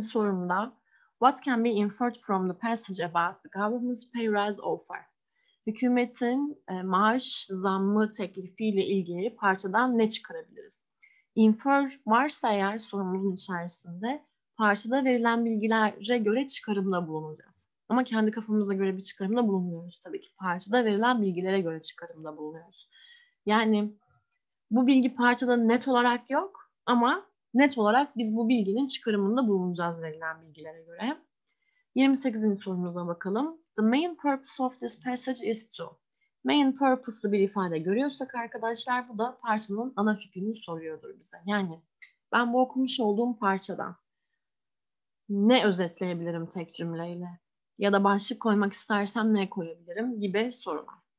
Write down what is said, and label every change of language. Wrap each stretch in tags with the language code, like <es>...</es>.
<tr>sorumda</tr> <en>what can be inferred from the passage about the government's pay rise offer?</en> <tr>Hükümetin maaş zammı teklifiyle ilgili parçadan ne çıkarabiliriz? Infer varsa eğer sorumuzun içerisinde parçada verilen bilgilere göre çıkarımda bulunacağız. Ama kendi kafamıza göre bir çıkarımda bulunmuyoruz tabii ki. Parçada verilen bilgilere göre çıkarımda bulunuyoruz. Yani bu bilgi parçada net olarak yok ama net olarak biz bu bilginin çıkarımında bulunacağız verilen bilgilere göre. 28. sorumuza bakalım.</tr> <en>The main purpose of this passage is to.</en> <tr>Main purpose'lı bir ifade görüyorsak arkadaşlar bu da parçanın ana fikrini soruyordur bize. Yani ben bu okumuş olduğum parçadan ne özetleyebilirim tek cümleyle? Ya da başlık koymak istersem ne koyabilirim gibi sorular.</tr>